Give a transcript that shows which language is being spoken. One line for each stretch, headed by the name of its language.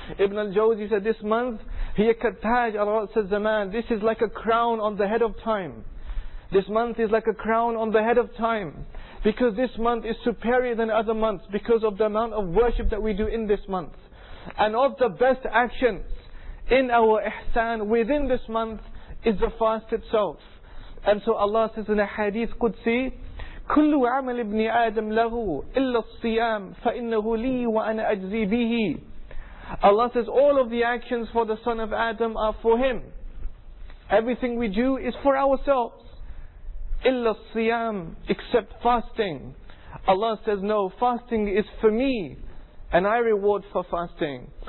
English: Ibn al-Jawzi said this month,
Arabic: hiya kattaj al-ra's al-zaman,
English: this is like a crown on the head of time. This month is like a crown on the head of time. Because this month is superior than other months because of the amount of worship that we do in this month. And of the best actions in our ihsan within this month is the fast itself.
Arabic: And so Allah says in a hadith Qudsi, كُلُّ عَمَلِ ابْنِ آدَمْ لَهُ إِلَّا الصِّيَامِ فَإِنَّهُ لِي وَأَنَا أَجْزِي بِهِ.
English: Allah says all of the actions for the son of Adam are for him. Everything we do is for ourselves.
Arabic: إِلَّا الصِّيَامِ,
English: except fasting. Allah says, no, fasting is for me and I reward for fasting.